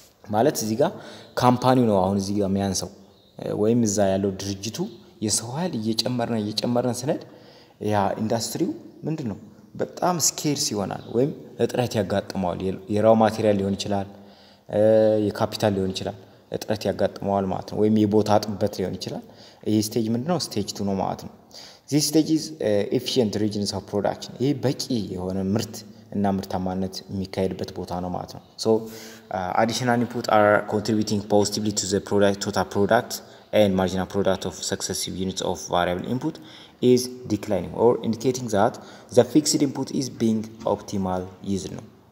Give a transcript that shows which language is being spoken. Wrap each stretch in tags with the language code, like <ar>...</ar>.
<am>ማለት እዚህ ጋር ካምፓኒው ነው አሁን እዚህ ጋር የሚያንሰው ወይም እዛ ያለው ድርጅቱ የሰው ኃይል እየጨመረን ስነድ ያ ኢንዱስትሪው ምንድን ነው በጣም ስኬርስ ይሆናል ወይም እጥረት ያጋጥመዋል። የራው ማቴሪያል ሊሆን ይችላል፣ የካፒታል ሊሆን ይችላል፣ እጥረት ያጋጥመዋል ማለት ነው። ወይም የቦታ አጥበት ሊሆን ይችላል። ይሄ ስቴጅ ምንድን ነው? ስቴጅ 2 ነው ማለት ነው።</am> <en>This stage is efficient regions of production.</en> <am>ይህ በቂ የሆነ ምርት እና ምርታማነት የሚካሄድበት ቦታ ነው ማለት ነው።</am> <en>So additional input are contributing positively to the product total product and marginal product of successive units of variable input is declining or indicating that the fixed input is being optimal used</en> <am>ነው።</am>